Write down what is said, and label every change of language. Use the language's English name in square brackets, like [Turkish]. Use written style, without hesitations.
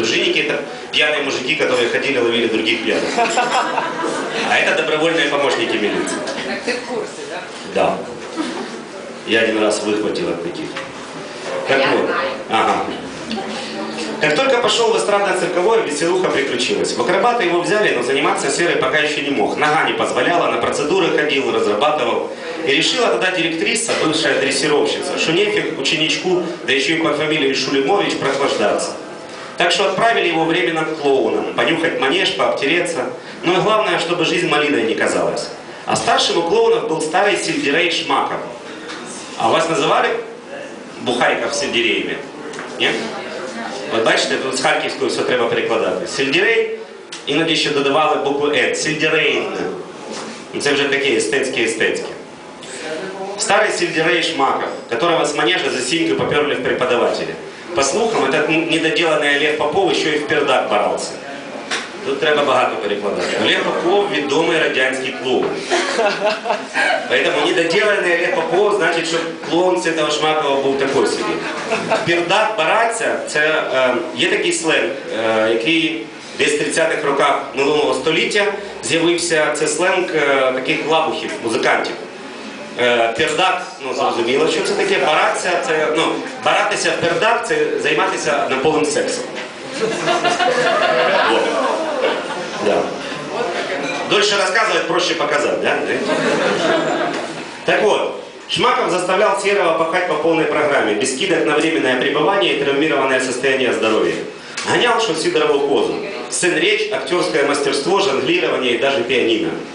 [Ukrainian] Дружинники – це п'яні мужики, які ходили ловили других п'яних. А це добровольні помічники міліції. Так ти в курсі, так? Так. Да. [Russian] Я один раз выхватил от таких. Так вот. Ага. Как только пошел в эстрадно-цирковое, веселуха приключилась. В акробаты его взяли, но заниматься Серый пока еще не мог. Нога не позволяла, на процедуры ходил, разрабатывал. И решила тогда директриса, бывшая дрессировщица, что нефиг ученичку, да еще и по фамилии Шулимович, прохлаждаться. Так что отправили его временно к клоунам, понюхать манеж, пообтереться. Ну и главное, чтобы жизнь малиной не казалась. А старшим у клоунов был старый Сельдерей Шмаков. А вас называли бухариков сельдереями? Нет? [Ukrainian] Вот бачите, тут с харківською все треба перекладати. Сельдерей, іноді ще додавали букву «Е». Сельдерейн. Це вже такі естетські-естетські. [Russian] Старий Сельдерей Шмаков, которого с манежа за синьки поперли в преподавателі. По слухам, этот недоделаний Олег Попов еще и в пердак боролся. [Ukrainian] Тут треба багато перекладати. Олег Попов – відомий радянський клоун. [Russian] Поэтому недоделанный Олег Попов значит, что клоун с этого Шмакова был такой себе. Пердак бараться – это есть такой сленг, который [Ukrainian] десь в 30-х роках минулого століття з'явився. Це сленг таких лабухів, музикантів. Пердак, ну, зрозуміло, що це таке. Бараться – це, ну, баратися в пердак – це займатися наповним сексом. [Russian] Вот. Да. Дольше рассказывать, проще показать, да? Так вот, Шмаков заставлял Серого пахать по полной программе, без скидок на временное пребывание и травмированное состояние здоровья. Гонял Шансидорову козу. Сын речь, актерское мастерство, жонглирование и даже пианино.